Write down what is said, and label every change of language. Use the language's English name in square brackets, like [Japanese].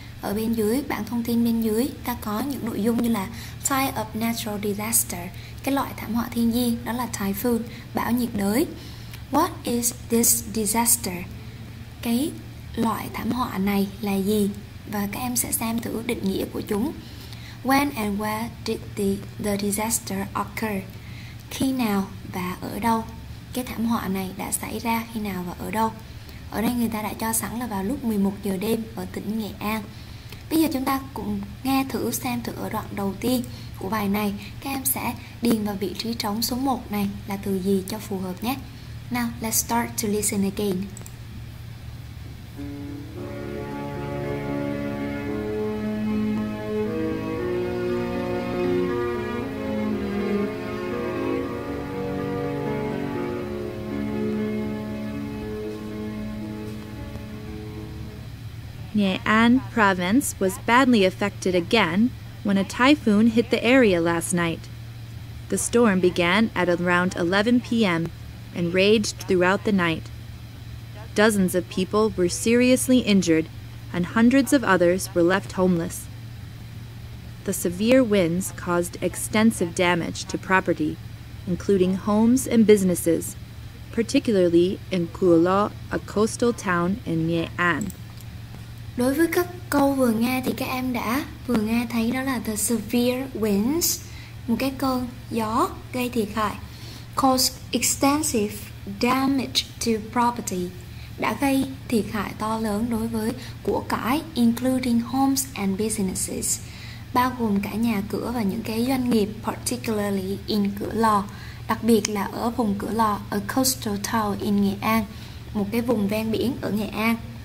[Vietnamese] Ở bên dưới, bảng thông tin bên dưới, ta có những nội dung như là [English] Type of Natural Disaster, [Vietnamese] cái loại thảm họa thiên nhiên, đó là Typhoon, bão nhiệt đới. [English] What is this disaster? [Vietnamese] Cái loại thảm họa này là gì? Và các em sẽ xem thử định nghĩa của chúng. [English] When and where did the disaster occur? [Vietnamese] Khi nào và ở đâu? Cái thảm họa này đã xảy ra khi nào và ở đâu? Ở đây người ta đã cho sẵn là vào lúc 11 giờ đêm ở tỉnh Nghệ An. Bây giờ chúng ta cùng nghe thử xem thử ở đoạn đầu tiên của bài này, các em sẽ điền vào vị trí trống số 1 này là từ gì cho phù hợp nhé. [English] Now, let's start to listen again. Nghệ An province was badly affected again when a typhoon hit the area last night. The storm began at around 11 p.m. and raged throughout the night. Dozens of people were seriously injured and hundreds of others were left homeless. The severe winds caused extensive damage to property, including homes and businesses, particularly in Cua Lo, a coastal town in Nghệ An. [Vietnamese] Đối với các câu vừa nghe thì các em đã vừa nghe thấy đó là [English] the severe winds, [Vietnamese] một cái cơn gió gây thiệt hại, [English] cause extensive damage to property, [Vietnamese] đã gây thiệt hại to lớn đối với của cải, [English] including homes and businesses, [Vietnamese] bao gồm cả nhà cửa và những cái doanh nghiệp, [English] particularly in Cửa Lò, [Vietnamese] đặc biệt là ở vùng Cửa Lò, [English] a coastal town in Nghệ An, [Vietnamese] một cái vùng ven biển ở Nghệ An.